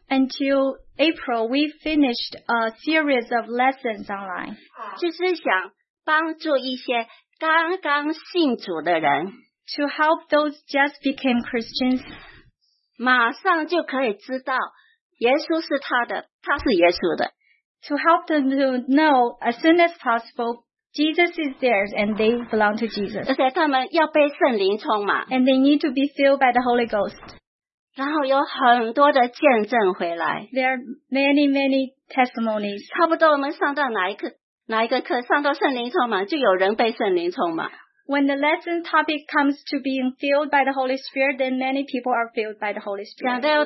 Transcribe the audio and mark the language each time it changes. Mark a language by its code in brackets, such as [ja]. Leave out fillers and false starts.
[en] Until April, we finished a series of lessons online. [zh] 就是想帮助一些刚刚信主的人。 [en] To help those just became Christians. [zh] 马上就可以知道耶稣是他的，他是耶稣的。 [en] To help them to know as soon as possible, Jesus is theirs and they belong to Jesus. [zh] 而且他们要被圣灵充满。 [en] And they need to be filled by the Holy Ghost. [zh] 然后有很多的见证回来。 [en] There are many, many testimonies. [zh] 差不多我们上到哪一个课，上到圣灵充满，就有人被圣灵充满。 [en] When the lesson topic comes to being filled by the Holy Spirit, then many people are filled by the Holy Spirit.